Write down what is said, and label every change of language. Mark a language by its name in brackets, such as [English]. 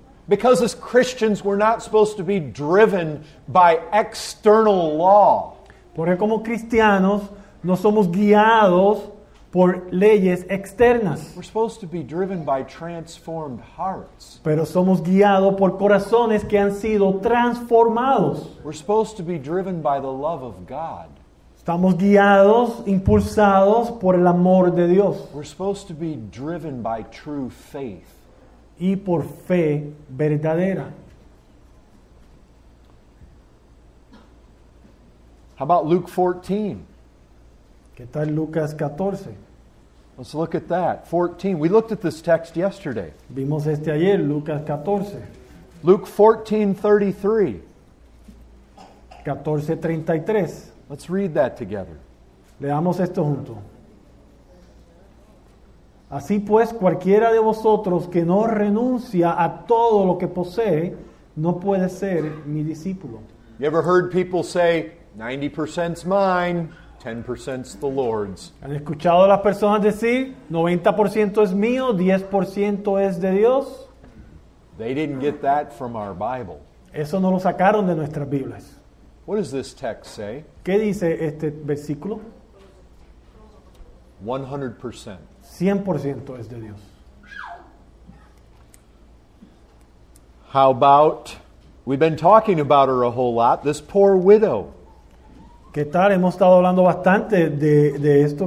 [English] Because as Christians, we're not supposed to be driven by external law. [Spanish] Porque como cristianos, no somos guiados por leyes externas. [English] We're supposed to be driven by transformed hearts. [Spanish] Pero somos guiados por corazones que han sido transformados. [English] We're supposed to be driven by the love of God. [Spanish] Estamos guiados, impulsados por el amor de Dios. [English] We're supposed to be driven by true faith. [Spanish] Y por fe verdadera. [English] How about Luke 14? [Spanish] ¿Qué tal Lucas 14? [English] Let's look at that. 14. We looked at this text yesterday. [Spanish] Vimos este ayer, Lucas 14. [English] Luke 14:33. [Spanish] 14:33. [English] Let's read that together. [Spanish] Leamos esto junto. Así pues, cualquiera de vosotros que no renuncia a todo lo que posee, no puede ser mi discípulo. [English] You ever heard people say, 90% is mine, 10% is the Lord's? [Spanish] ¿Han escuchado a las personas decir, 90% es mío, 10% es de Dios? [English] They didn't get that from our Bible. [Spanish] Eso no lo sacaron de nuestras Biblias. [English] What does this text say? [Spanish] ¿Qué dice este versículo? [English] 100%. [Spanish] 100% es de Dios. [English] How about, we've been talking about her a whole lot, this poor widow. [Spanish] ¿Qué tal? Hemos estado hablando bastante de esto.